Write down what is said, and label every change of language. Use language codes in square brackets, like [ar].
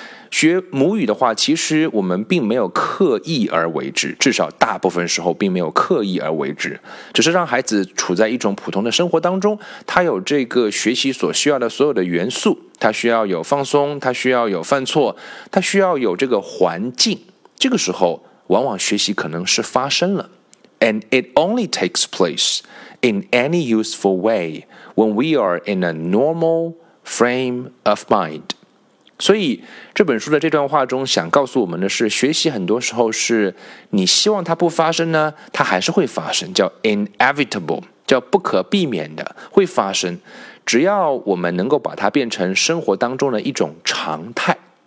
[zh] 学母语的话，其实我们并没有刻意而为之，至少大部分时候并没有刻意而为之，只是让孩子处在一种普通的生活当中，他有这个学习所需要的所有的元素，他需要有放松，他需要有犯错，他需要有这个环境，这个时候往往学习可能是发生了。 [en] And it only takes place in any useful way when we are in a normal frame of mind. [zh] 所以这本书的这段话中想告诉我们的是，学习很多时候是你希望它不发生呢，它还是会发生，叫 inevitable, 叫不可避免的，会发生，只要我们能够把它变成生活当中的一种常态。